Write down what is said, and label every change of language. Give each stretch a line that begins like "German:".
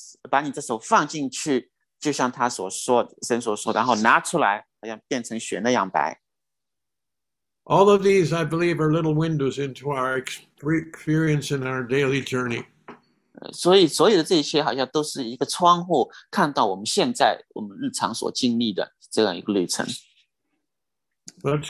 Chinese: 把你的手放进去，就像他所说，神所说，然后拿出来，好像变成血那样白。
English: All of these, I believe, are little windows into our experience in our daily journey.
Chinese: 所以所有的这些好像都是一个窗户，看到我们现在我们日常所经历的这样一个旅程。
English: Let's